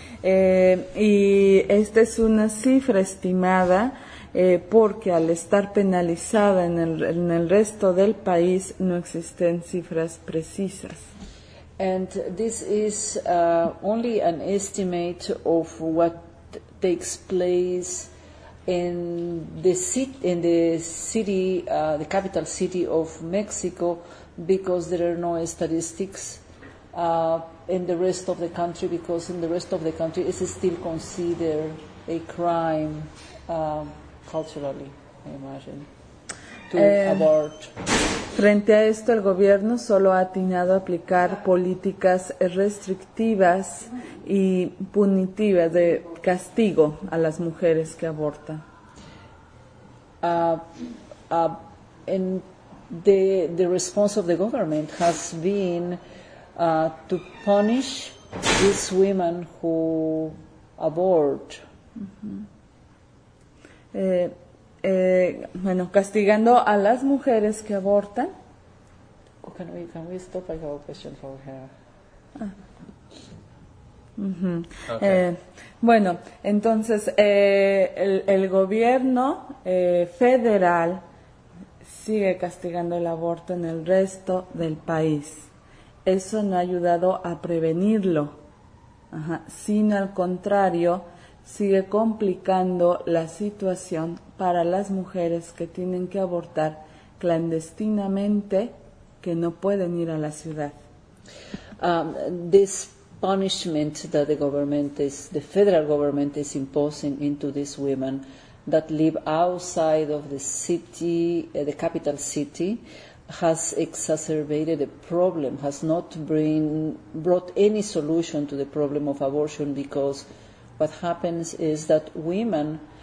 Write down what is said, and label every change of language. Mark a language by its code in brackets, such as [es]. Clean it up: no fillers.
[es] Y esta es una cifra estimada porque al estar penalizada en el resto del país no existen cifras precisas. [en] And this is only an estimate of what takes place in the capital city of Mexico, because there are no statistics in the rest of the country, because in the rest of the country it is still considered a crime culturally, I imagine, to abort. [es] Frente a esto, el gobierno solo ha atinado a aplicar políticas restrictivas y punitivas de castigo a las mujeres que abortan. [en] And the response of the government has been to punish these women who abort. Mm-hmm. [es] Bueno, castigando a las mujeres que abortan. [en] Oh, can we stop? I have a question for her. Mm-hmm. Okay. [es] Bueno, entonces el gobierno federal sigue castigando el aborto en el resto del país. Eso no ha ayudado a prevenirlo, ajá, sino al contrario, sigue complicando la situación para las mujeres que tienen que abortar clandestinamente, que no pueden ir a la ciudad. [en] This punishment that the federal government is imposing into these women that live outside of the city, the capital city, has exacerbated the problem, has not brought any solution to the problem of abortion, because what happens is that women